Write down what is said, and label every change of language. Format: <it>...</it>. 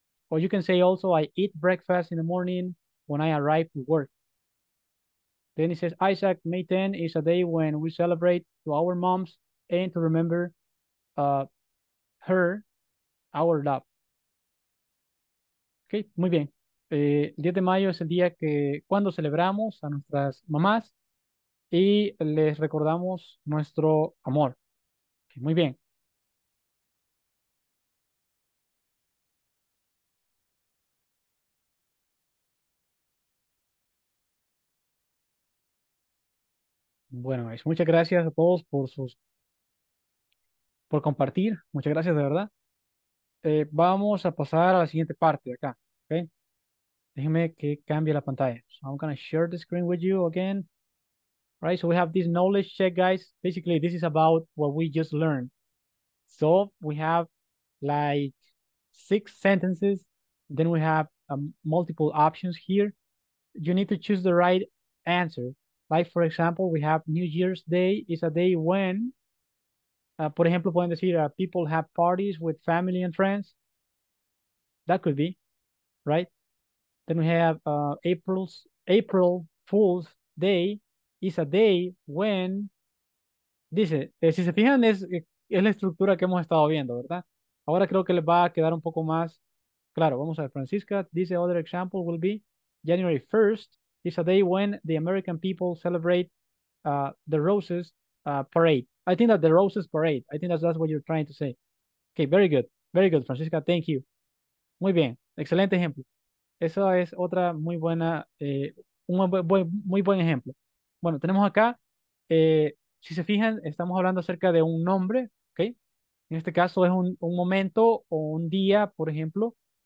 <en>Or you can say also I eat breakfast in the morning when I arrive to work. Then he says, Isaac, May 10 is a day when we celebrate to our moms and to remember her, our love.</en> <es>Okay, muy bien. El 10 de mayo es el día que cuando celebramos a nuestras mamás y les recordamos nuestro amor. Okay, muy bien. Bueno, es muchas gracias a todos por sus por compartir. Muchas gracias, de verdad. Vamos a pasar a la siguiente parte de acá. Okay? Déjenme que cambie la pantalla.</es> <en>So I'm going to share the screen with you again. All right, so we have this knowledge check, guys. Basically, this is about what we just learned. So we have like six sentences. Then we have multiple options here. You need to choose the right answer. Like, for example, we have New Year's Day is a day when, por ejemplo, pueden decir, people have parties with family and friends. That could be, right? Then we have April Fool's Day is a day when, dice, si se fijan, es la estructura que hemos estado viendo, ¿verdad?</en> <es>Ahora creo que les va a quedar un poco más claro.</es> <en>Vamos a ver, Francisca, dice, other example will be January 1st. It's a day when the American people celebrate the Roses Parade. I think that the Roses Parade. I think that's what you're trying to say. Okay, very good. Very good, Francisca. Thank you. Muy bien. Excelente ejemplo.</en> <es>Eso es otra muy buena, muy buen ejemplo. Bueno, tenemos acá, si se fijan, estamos hablando acerca de un nombre, okay? En este caso es un momento o un día, por ejemplo.</es>